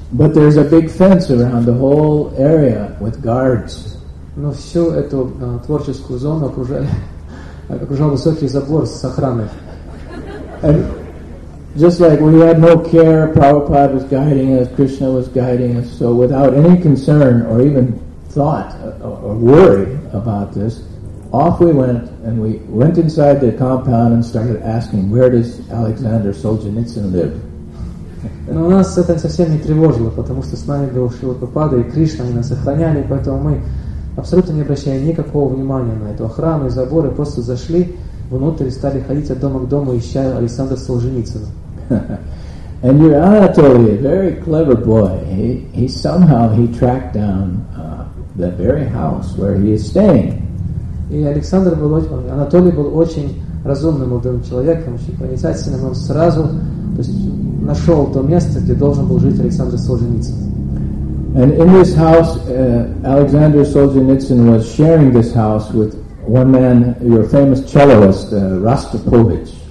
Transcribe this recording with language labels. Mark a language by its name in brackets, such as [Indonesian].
[English] But there's a big fence around the whole area with guards. [Russian] Но всю эту творческую зону окружал высокий забор с охраной. [English] Just like we had no care, Prabhupada was guiding us, Krishna was guiding us, so without any concern or even thought or worry about this, off we went, and we went inside the compound and started asking, "Where does Alexander Solzhenitsyn live?" [Russian] Но нас это совсем не тревожило, потому что с нами был Шрила Прабхупада, и Кришна нас охраняли, поэтому мы абсолютно не обращали никакого внимания на эту охрану и заборы, просто зашли внутрь стали ходить от дома к дому, ища Александра Солженицына. [English] And your Anatoly, very clever boy, he somehow he tracked down the very house where he is staying. [Russian] И Анатолий был очень разумным молодым человеком, очень проницательным, он сразу нашел то место, где должен был жить Александр Солженицын. [English] And in this house, Alexander Solzhenitsyn was sharing this house with one man, your famous cellist, Rostropovich.